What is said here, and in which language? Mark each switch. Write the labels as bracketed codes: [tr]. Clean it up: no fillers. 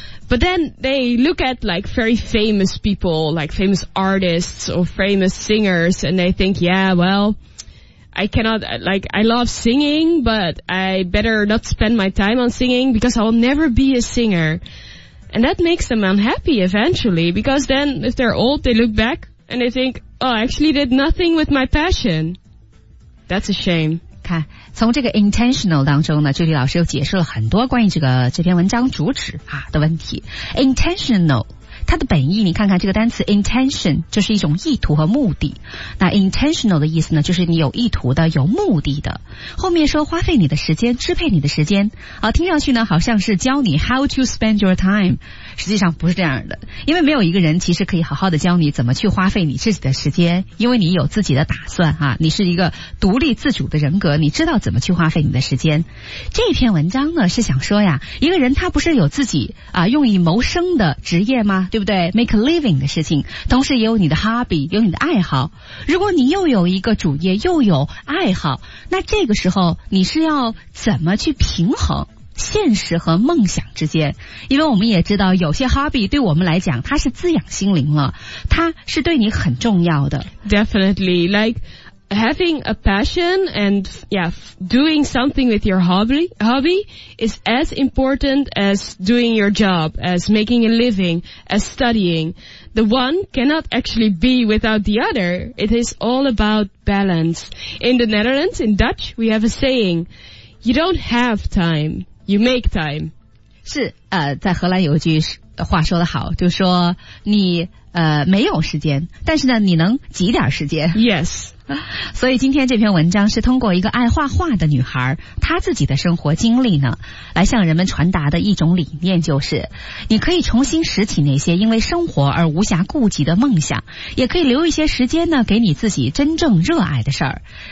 [en] But then they look at, like, very famous people, like famous artists or famous singers, and they think, yeah, well, I love singing, but I better not spend my time on singing because I'll never be a singer. And that makes them unhappy eventually, because then if they're old, they look back and they think, oh, I actually did nothing with my passion. That's a shame. [zh] 看，从这个 intentional 当中呢，Judy 老师又解释了很多关于这篇文章主旨啊的问题。 [en] Intentional. [zh] 它的本意，你看看这个单词 intention 就是一种意图和目的，那 intentional 的意思呢就是你有意图的，有目的的，后面说花费你的时间，支配你的时间，听上去呢好像是教你 [en] how to spend your time， [zh] 实际上不是这样的，因为没有一个人其实可以好好的教你怎么去花费你自己的时间，因为你有自己的打算啊，你是一个独立自主的人格，你知道怎么去花费你的时间。这篇文章呢是想说呀，一个人他不是有自己用以谋生的职业吗？对不对？ [en] make a living [zh] 的事情，同时也有你的 hobby， 有你的爱好。如果你又有一个主业，又有爱好，那这个时候你是要怎么去平衡现实和梦想之间？因为我们也知道，有些 hobby 对我们来讲，它是滋养心灵了，它是对你很重要的。 [en] Definitely, like having a passion and doing something with your hobby is as important as doing your job, as making a living, as studying. The one cannot actually be without the other. It is all about balance. In the Netherlands, in Dutch, we have a saying, you don't have time, you make time. [zh] 是，在荷兰有一句话说得好，就说你没有时间，但是呢，你能挤点时间。 [en] Yes. [zh] 所以今天这篇文章是通过一个爱画画的女孩，她自己的生活经历呢，来向人们传达的一种理念，就是你可以重新拾起那些因为生活而无暇顾及的梦想，也可以留一些时间呢，给你自己真正热爱的事儿。